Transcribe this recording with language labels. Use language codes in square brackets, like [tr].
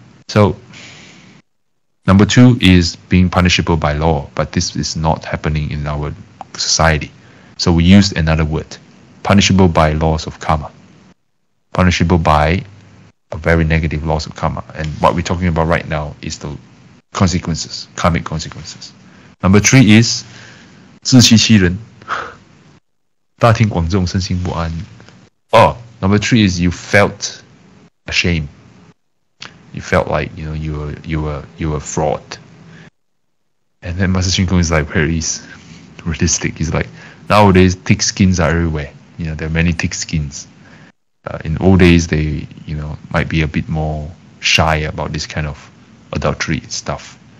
[en] So, number two is being punishable by law. But this is not happening in our society. So, we use another word. Punishable by laws of karma. Punishable by a very negative laws of karma. And what we're talking about right now is the consequences, karmic consequences. Number three is [zh] 自欺欺人, 大庭广众身心不安. [en] Oh, number three is you felt ashamed. You felt like, you know, you were fraud. And then Master Shin Kong is like very realistic. He's like, nowadays thick skins are everywhere. You know, there are many thick skins. In old days, they, you know, might be a bit more shy about this kind of adultery stuff.